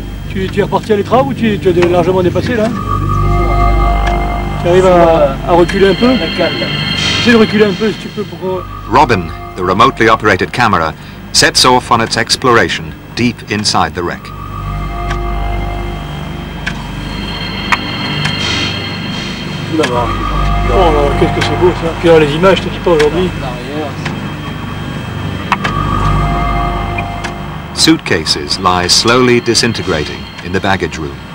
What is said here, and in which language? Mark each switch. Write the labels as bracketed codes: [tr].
[fr] Tu es reparti à l'étra ou tu as largement dépassé là? Tu arrives à reculer un peu? Essaye de reculer un peu si tu peux pour... [en] Robin, the remotely operated camera, sets off on its exploration deep inside the wreck. [fr] Oh là là, qu'est-ce que c'est beau ça! Puis là, les images, je te dis pas aujourd'hui. [en] Suitcases lie slowly disintegrating in the baggage room.